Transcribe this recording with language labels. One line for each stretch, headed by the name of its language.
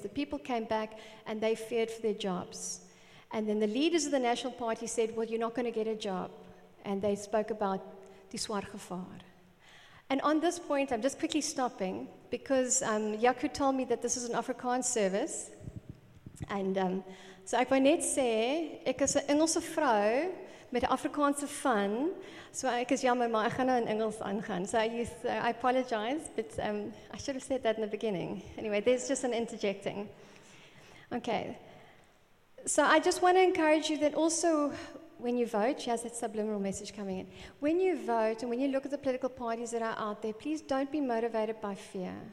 English: The people came back, and they feared for their jobs. And then the leaders of the National Party said, well, you're not going to get a job. And they spoke about
Afrikaans: Die Swart Gevaar.
English: And on this point, I'm just quickly stopping because Jaco told me that this is an Afrikaans service. And so I
Afrikaans: wou net sê, ek is 'n Engelse vrou met 'n Afrikaanse van. So ek is jammer, maar ek gaan nou in Engels aangaan.
English: So I apologize, but I should have said that in the beginning. Anyway, there's just an interjecting. Okay. So I just want to encourage you that also, when you vote, she has that subliminal message coming in. When you vote and when you look at the political parties that are out there, please don't be motivated by fear.